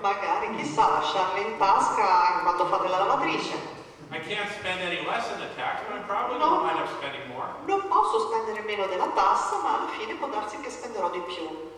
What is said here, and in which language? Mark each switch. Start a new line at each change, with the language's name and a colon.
Italian: Magari chissà lasciarli in tasca quando fate la lavatrice.
English: I can't spend any less than the tax, but I'm probably going to wind up spending more.
Italian: Non posso spendere meno della tassa, ma alla fine può darsi che spenderò di più.